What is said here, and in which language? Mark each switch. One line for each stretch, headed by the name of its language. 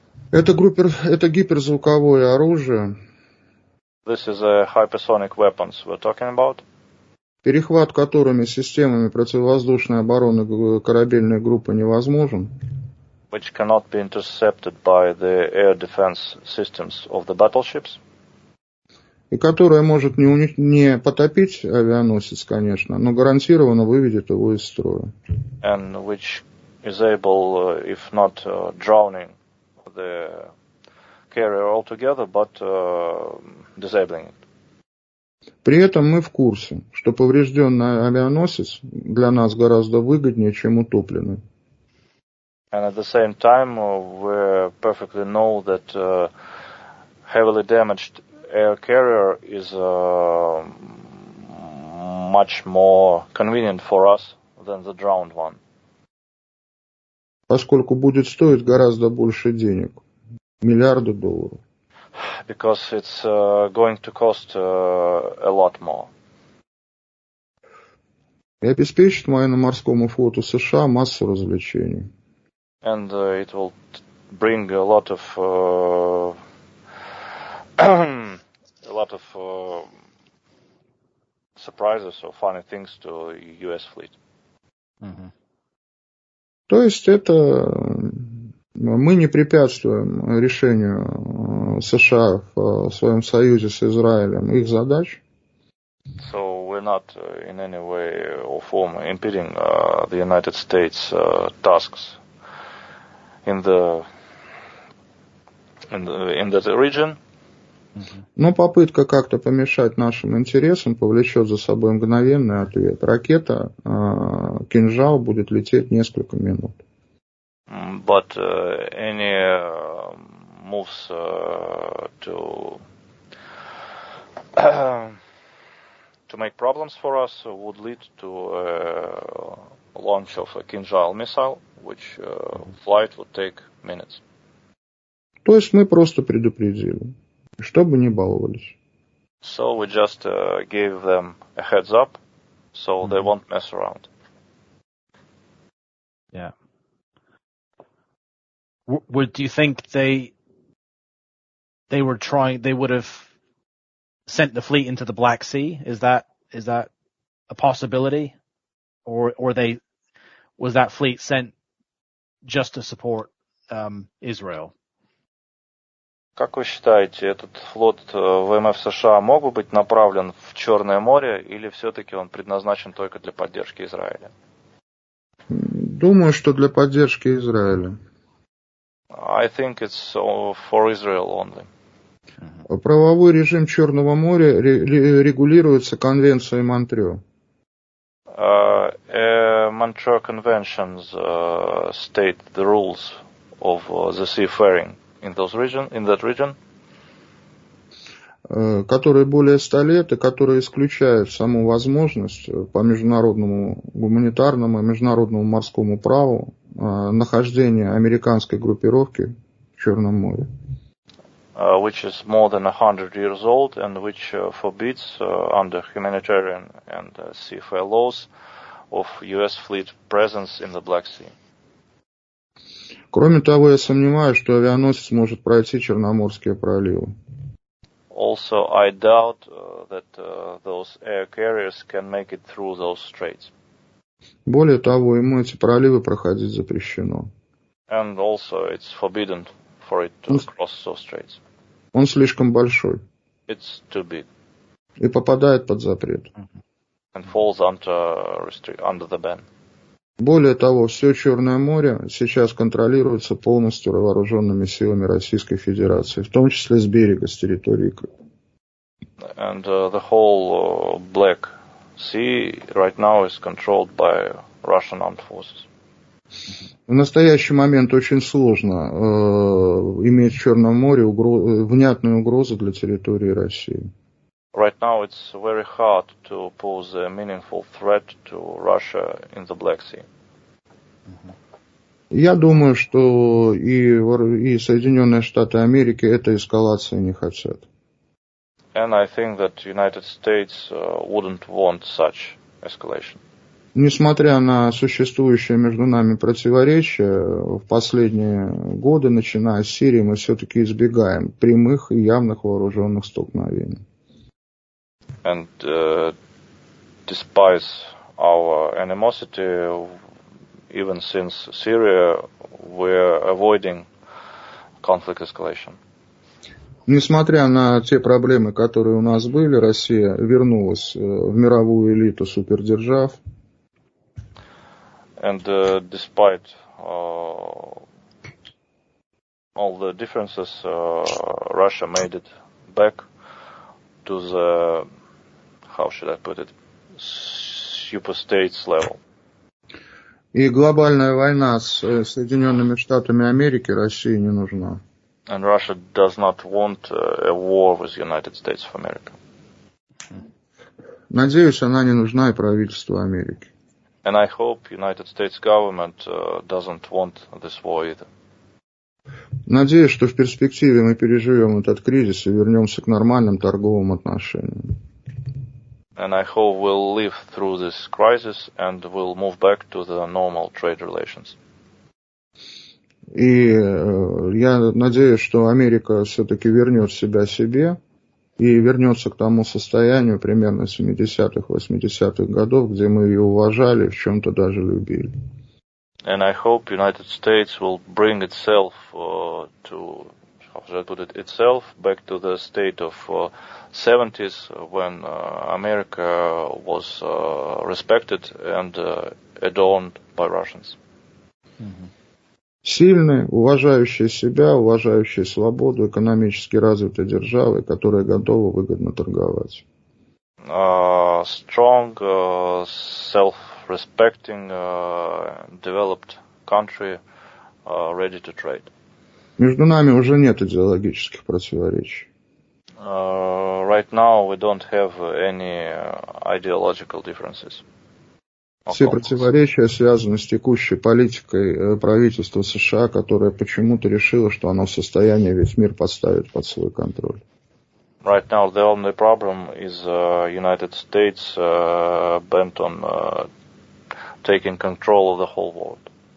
Russian: Это гиперзвуковое оружие.
English: This is a hypersonic weapons we're talking about.
Russian: Перехват которыми системами противовоздушной обороны корабельной группы невозможен.
English: Which cannot be intercepted by the air defense systems of the battleships.
Russian: И которое может не потопить авианосец, конечно, но гарантированно выведет его из строя.
English: And which is able, if not drowning, the carrier altogether, but disabling it.
Russian: При этом мы в курсе, что поврежденный авианосец для нас гораздо выгоднее, чем утопленный.
English: And at the same time, we perfectly know that heavily damaged air carrier is much more convenient for us than the drowned one.
Russian: Поскольку будет стоить гораздо больше денег, миллиарды долларов.
English: Because it's going to cost a lot more.
Russian: И обеспечит военно-морскому флоту США массу развлечений.
English: And it will bring a lot of surprises or funny things to US fleet. Mm-hmm.
Russian: То есть это мы не препятствуем решению США в своем союзе с Израилем их задач.
English: So we're not in any way or form impeding the United States tasks in the region.
Russian: Но попытка как-то помешать нашим интересам повлечет за собой мгновенный ответ. Ракета, кинжал будет лететь несколько минут.
English: But any moves to to make problems for us would lead to a launch of a kinjal missile, which flight would take minutes.
Russian: То есть мы просто предупредили. Чтобы не баловались.
English: So we just gave them a heads up, so mm-hmm. they won't mess around. Yeah. Would do you think they were trying? They would have sent the fleet into the Black Sea. Is that a possibility, or they was that fleet sent just to support Israel?
Russian: Как вы считаете, этот флот ВМФ США мог бы быть направлен в Черное море, или все-таки он предназначен только для поддержки Израиля? Думаю, что для поддержки Израиля.
English: I think it's for Israel only.
Russian: Правовой режим Черного моря регулируется конвенцией Монтрё.
English: Montreux Conventions state the rules of the seafaring. In that region,
Russian: которые более 100 лет и которые исключают саму возможность по международному гуманитарному и международному морскому праву нахождения американской группировки в Черном море.
English: Which is more than 100 years old and which forbids under humanitarian and seafare laws of US fleet presence in the Black Sea.
Russian: Кроме того, я сомневаюсь, что авианосец может пройти Черноморские проливы.
English: Also, I doubt that those air carriers can make it through those straits.
Russian: Более того, ему эти проливы проходить запрещено.
English: And also, it's forbidden for it to cross those straits.
Russian: Он слишком большой.
English: It's too big.
Russian: И попадает под запрет.
English: And falls under the ban.
Russian: Более того, все Черное море сейчас контролируется полностью вооруженными силами Российской Федерации, в том числе с берега, с территории Крыма.
English: And the whole Black Sea right now is controlled by Russian armed forces.
Russian: В настоящий момент очень сложно иметь в Черном море внятную угрозу для территории России.
English: Right now it's very hard to pose a meaningful threat to Russia in the Black Sea.
Russian: Я думаю, что и Соединенные Штаты Америки этой эскалации не хотят.
English: And I think that United States wouldn't want such escalation.
Russian: Несмотря на существующее между нами противоречие, в последние годы, начиная с Сирии, мы все-таки избегаем прямых и явных вооруженных столкновений.
English: And despite our animosity, even since Syria, we're avoiding conflict escalation.
Russian: Несмотря на те проблемы, которые у нас были, Россия вернулась в мировую элиту супердержав.
English: And despite all the differences, Russia made it back to the how should I put it, super states level.
Russian: И глобальная война с Соединенными Штатами Америки России не нужна.
English: And Russia does not want a war with United States of America.
Russian: Надеюсь, она не нужна и правительству Америки.
English: And I hope United States government doesn't want this war either.
Russian: Надеюсь, что в перспективе мы переживем этот кризис и вернемся к нормальным торговым отношениям.
English: And I hope we'll live through this crisis and we'll move back to the normal trade relations.
Russian: И я надеюсь, что Америка все-таки вернет себя себе и вернется к тому состоянию примерно 70-х, 80-х годов, где мы ее уважали, в чем-то даже любили.
English: And I hope United States will bring itself to, how should I put it, itself back to the state of 70s when America was respected and adorned by Russians.
Russian: Сильные, уважающие себя, уважающие свободу, экономически развитые державы, которые готовы выгодно торговать.
English: Strong, self-respecting, developed country, ready to trade.
Russian: Между нами уже нет идеологических противоречий.
English: Right now we don't have any ideological differences.
Russian: Все противоречия связаны с текущей политикой правительства США, которое почему-то решило, что оно в состоянии весь мир подставить под свой контроль.
English: Right now the only problem is United States bent on taking control of the whole world.